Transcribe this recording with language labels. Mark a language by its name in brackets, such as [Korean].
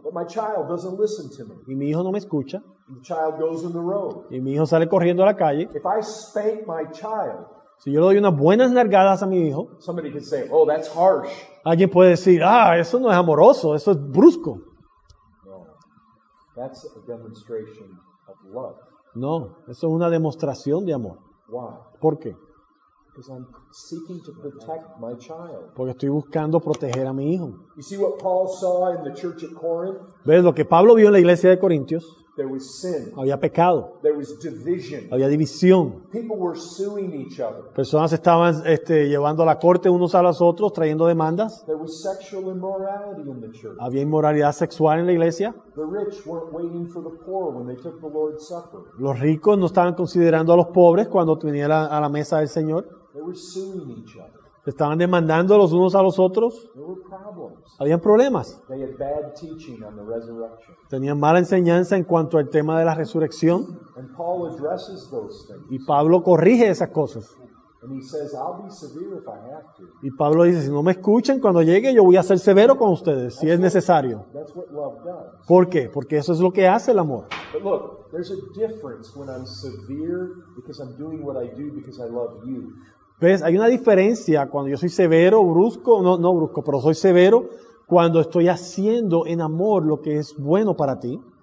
[English] But my child doesn't listen to me. [Spanish] Y mi hijo no me escucha. [English] And the child goes in the road. [Spanish] Y mi hijo sale corriendo a la calle. [English] If I spank my child, [Spanish] si yo le doy unas buenas nalgadas a mi hijo, [English] somebody can say, oh, that's harsh. [Spanish] Alguien puede decir, ah, eso no es amoroso, eso es brusco. [English] No, that's a demonstration of love. [Spanish] No, eso es una demostración de amor. [English] Why? [Spanish] ¿Por qué? [English] Because I'm seeking to protect my child. [Spanish] Porque estoy buscando proteger a mi hijo. [English] You see what Paul saw in the church at Corinth? [Spanish] ¿Ves lo que Pablo vio en la iglesia de Corintios? [English] There was sin. [Spanish] Había pecado. [English] There was division. [Spanish] Había división. [English] People were suing each other. [Spanish] Personas estaban llevando a la corte unos a los otros, trayendo demandas. [English] There was sexual immorality in the church. [Spanish] Había inmoralidad sexual en la iglesia. [English] The rich weren't waiting for the poor when they took the Lord's Supper. [Spanish] Los ricos no estaban considerando a los pobres cuando vinieron a la mesa del Señor. [English] They were suing each other. [Spanish] Estaban demandando los unos a los otros. Habían problemas. [English] They had bad teaching on the resurrection. [Spanish] Tenían mala enseñanza en cuanto al tema de la resurrección. [English] And Paul addresses those things. [Spanish] Y Pablo corrige esas cosas. [English] And he says, I'll be severe if I have to. [Spanish] Y Pablo dice, si no me escuchan cuando llegue, yo voy a ser severo con ustedes, si es necesario. [English] That's what love does. [Spanish] ¿Por qué? Porque eso es lo que hace el amor. [English] But look, there's a difference when I'm severe because I'm doing what I do because I love you. [Spanish] ¿Ves? Hay una diferencia cuando yo soy severo, brusco, no brusco, pero soy severo cuando estoy haciendo en amor lo que es bueno para ti.